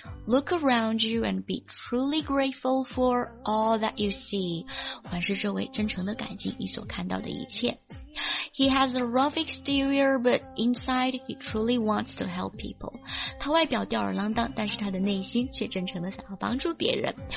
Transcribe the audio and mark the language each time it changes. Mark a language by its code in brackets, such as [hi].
[en] Look around you and be truly grateful for all that you see. [zh] 环视周围，真诚地感激你所看到的一切。 [en] He has a rough exterior, but inside he truly wants to help people. [zh] 他外表吊儿郎当，但是他的内心却真诚地想要帮助别人。